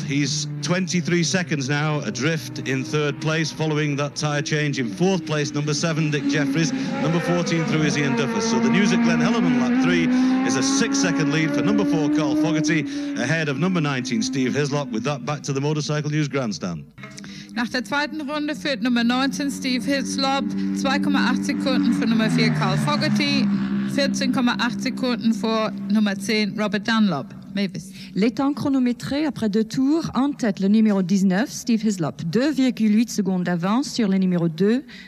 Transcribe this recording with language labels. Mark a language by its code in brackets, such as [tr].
[en] He's 23 seconds now adrift in third place following that tyre change. In fourth place, number 7, Dick Jeffries. Number 14 through is Ian Duffus. So the news at Glen Helen on lap 3 is a 6 second lead for number 4, Carl Fogarty, ahead of number 19, Steve Hislop. With that, back to the Motorcycle News grandstand. [de] Nach der zweiten Runde führt Nummer 19 Steve Hislop 2,8 Sekunden für Nummer 4 Carl Fogarty, 14,8 Sekunden vor Nummer 10 Robert Dunlop. Mavis. [fr] Les temps chronométrés après deux tours, en tête le numéro 19 Steve Hislop, 2,8 secondes d'avance sur le numéro 2.